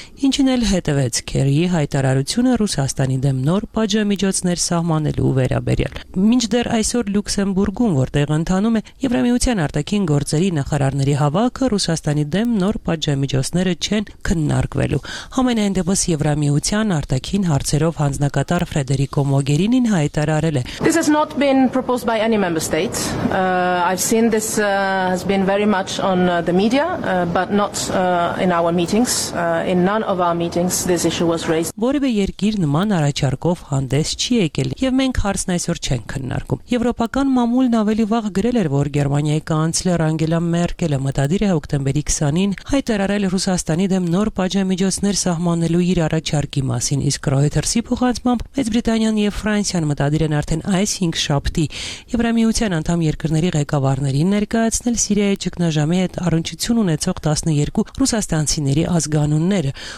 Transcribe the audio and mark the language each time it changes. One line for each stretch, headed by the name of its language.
Armenian: Ինչն էլ հետևեց Քերիի հայտարարությունը Ռուսաստանի դեմ նոր պատժամիջոցներ սահմանելու վերաբերյալ։ Մինչդեռ այսօր Լյուքսեմբուրգում, որտեղ ընթանում է Եվրամիության արտաքին գործերի նախարարների հավաքը, Ռուսաստանի դեմ նոր պատժամիջոցները չեն քննարկվելու։ Համենայն դեպս Եվրամիության արտաքին հարցերով հանձնակատար Ֆրեդերիկո Մոգերինին հայտարարել է.
English: This has not been proposed by any member state. I've seen this has been very much on the media, but not in our meetings, in none of our meetings this issue was raised.
Armenian: Որևէ երկիր նման առաջարկով հանդես չի եկել եւ մենք հարցն այսօր չենք քննարկում։ Եվրոպական մամուլն ավելի վաղ գրել էր, որ Գերմանիայի կանցլեր Անգելա Մերկելը մտադիր է հոկտեմբերի 20-ին հայտարարել Ռուսաստանի դեմ նոր պատժամիջոցներ սահմանելու իր առաջարկի մասին, իսկ Ռոյթերսի փոխանցմամբ Մեծ Բրիտանիան եւ Ֆրանսիան մտադիր են արդեն այս 5 շաբթի Եվրամիության անդամ երկրների ղեկավարներին ներկայացնել Սիրիայի ճգնաժամի հետ առնչություն ունեցող 12 ռուսաստանցիների ազգանունները,